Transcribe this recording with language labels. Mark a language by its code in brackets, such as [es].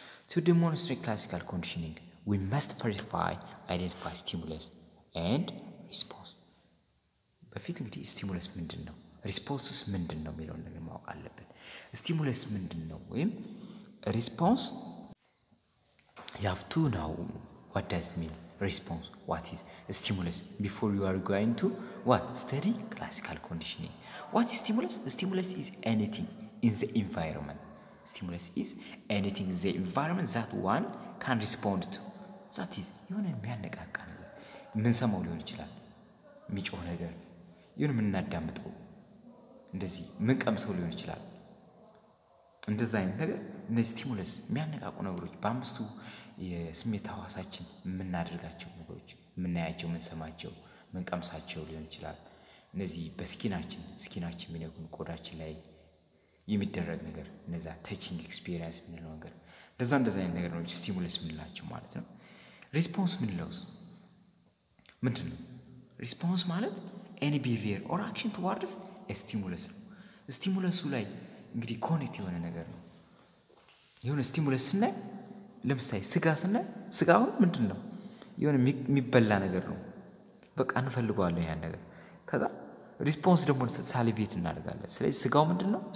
[en] To demonstrate classical conditioning, we must verify, identify stimulus and response. [am] በፊት እንግዲህ ስቲሙለስ ምንድን ነው? ሪስፖንስስ ምንድን ነው የሚለውን ነገር ማወቅ አለብን። ስቲሙለስ ምንድን ነው ወይም ሪስፖንስ? [en] You have to know what does mean response, what is stimulus before you are going to what? Study classical conditioning. What is stimulus? Stimulus is anything in the environment. Stimulus is anything in the environment that one can respond to. That is, you know, [am] የሚያነቃቃ ነገር ምን ሰማው ሊሆን ይችላል? የሚጮህ ነገር ይሁን የምናዳምጠው እንደዚህ ምን ቀምሰው ሊሆን ይችላል? እንደዚህ አይነት ነገር እነዚህ ስቲሙለስ የሚያነቃቁ ነገሮች በአምስቱ የስሜት ህዋሳችን የምናደርጋቸው ነገሮች የምናያቸው የምንሰማቸው የምንቀምሳቸው ሊሆን ይችላል። እነዚህ በስኪናችን ስኪናችን የሚነጉን ቆዳችን ላይ የሚደረግ ነገር እነዛ ተችንግ ኤክስፒሪየንስ የምንለው ነገር እንደዚህ አይነት ነገር ነው ስቲሙለስ የምንላቸው ማለት ነው። ሪስፖንስ የምንለውስ ምንድን ነው? [en] ሪስፖንስ ማለት any behavior or action towards a stimulus. [am] Stimulus ላይ እንግዲህ ኮኔክት የሆነ ነገር ነው። የሆነ stimulus ስናይ ለምሳሌ ስጋ ስናይ ስጋው ምንድን ነው? የሆነ የሚበላ ነገር ነው። በቃ እንፈልጋለን ያን ነገር። ከዛ response ደግሞ salivate እናደርጋለን። ስለዚህ ስጋው ምንድን ነው?